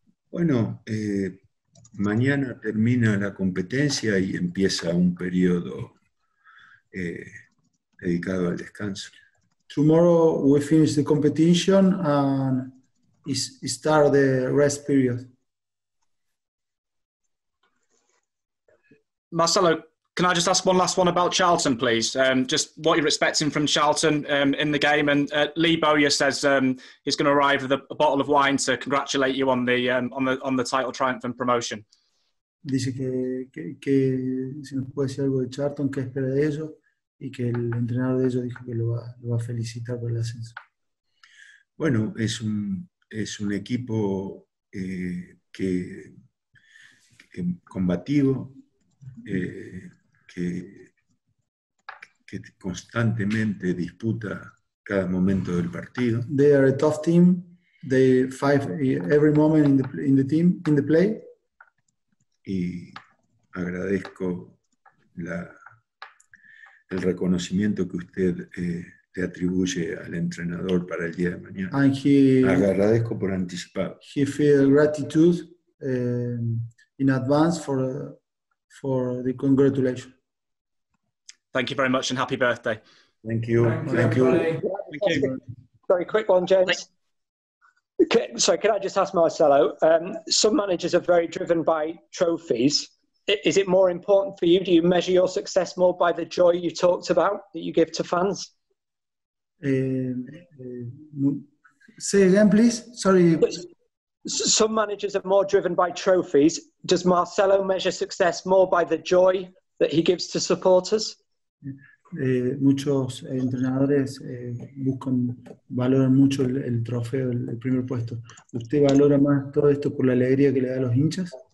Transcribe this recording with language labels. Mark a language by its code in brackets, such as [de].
[es] Bueno, mañana termina la competencia y empieza un periodo dedicado al descanso. [en] Tomorrow we finish the competition and start the rest period. Marcelo, can I just ask one last one about Charlton, please? Just what you're expecting from Charlton in the game. And Lee Bowyer says he's going to arrive with a bottle of wine to congratulate you on the title triumph and promotion. [es] Dice que si nos puede decir algo de Charlton, qué espera de ellos, y que el entrenador de ellos dijo que lo va a felicitar por el ascenso. Bueno, es un equipo que combativo. Que constantemente disputa cada momento del partido. [en] They are a tough team. They fight every moment in the play. [es] Y agradezco el reconocimiento que usted le atribuye al entrenador para el día de mañana. [en] And he [es] agradezco por anticipado. [en] He feels gratitude in advance for the congratulation. Thank you very much and happy birthday. Thank you. Thank you. Very quick one, James. Can I just ask Marcelo, some managers are very driven by trophies. Is it more important for you? Do you measure your success more by the joy you talked about that you give to fans? Say again, please. Sorry. Some managers are more driven by trophies. Does Marcelo measure success more by the joy that he gives to supporters? [es] Muchos entrenadores valoran mucho el trofeo, el primer puesto. ¿Usted valora más todo esto por la alegría que le da a los hinchas?